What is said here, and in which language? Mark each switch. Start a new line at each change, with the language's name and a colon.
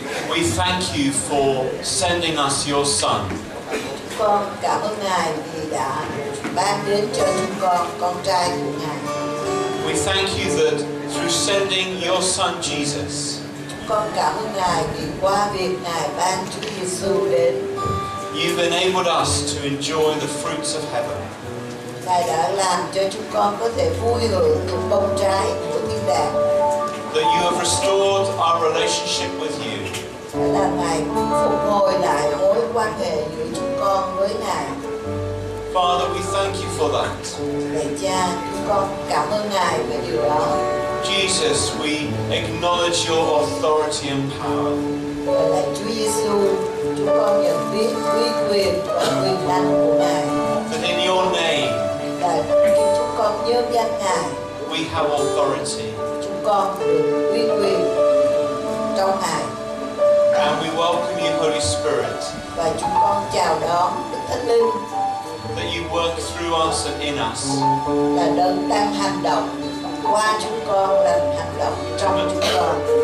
English: we thank you for sending us your Son.
Vietnamese: Chúng con cảm ơn Ngài vì đã ban đến cho chúng con trai của Ngài.
English: We thank you that through sending your Son Jesus,
Vietnamese: con cảm ơn Ngài vì qua việc Ngài ban Chúa Giêsu đến,
English: you've enabled us to enjoy the fruits of heaven.
Vietnamese: Ngài đã làm cho chúng con có thể vui hưởng những bông trái của thiên đàng.
English: That you have restored our relationship with you.
Vietnamese: Là Ngài phục hồi lại mối quan hệ giữa chúng con với Ngài.
English: Father, we thank you for that.
Vietnamese: Lạy Cha, chúng con cảm ơn Ngài về điều đó.
English: Jesus, we acknowledge your authority and power.
Vietnamese: Lạy Chúa Giêsu, chúng con nhận biết uy quyền và quyền năng của Ngài.
English: That in your name,
Vietnamese: chúng con nhớ danh Ngài.
English: We have authority.
Vietnamese: Chúng con được uy quyền trong Ngài.
English: And we welcome you, Holy Spirit.
Vietnamese: Và chúng con chào đón Đức Thánh Linh.
English: That you work through us and in us.
Vietnamese: Là đấng đang hành động qua chúng con, đang hành động trong chúng con.